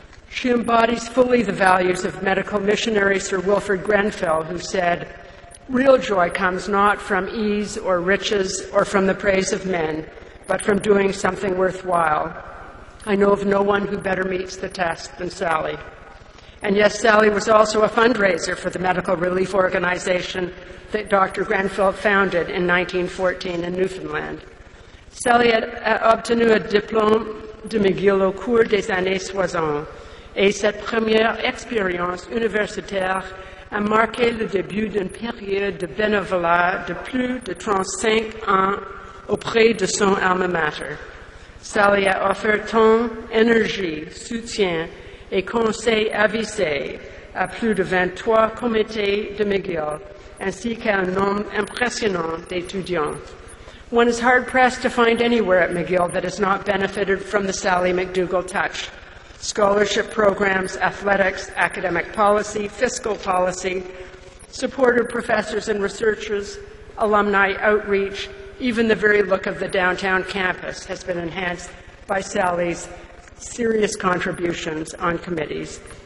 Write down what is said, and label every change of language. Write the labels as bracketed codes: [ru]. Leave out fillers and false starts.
[en] She embodies fully the values of medical missionary Sir Wilfrid Grenfell, who said, "Real joy comes not from ease or riches or from the praise of men, but from doing something worthwhile." I know of no one who better meets the test than Sally. And yes, Sally was also a fundraiser for the medical relief organization that Dr. Grenfell founded in 1914 in Newfoundland. [fr] Sally had obtenu a diplôme de McGill au cours des années 60, et cette première expérience universitaire a marqué le début d'une période de bénévolat de plus de 35 ans auprès de son alma mater. Sally a offert temps, énergie, soutien et conseil avisé à plus de 23 comités de McGill, ainsi qu'à un nombre impressionnant d'étudiants. [en] One is hard-pressed to find anywhere at McGill that has not benefited from the Sally McDougall touch. Scholarship programs, athletics, academic policy, fiscal policy, support of professors and researchers, alumni outreach, even the very look of the downtown campus has been enhanced by Sally's serious contributions on committees.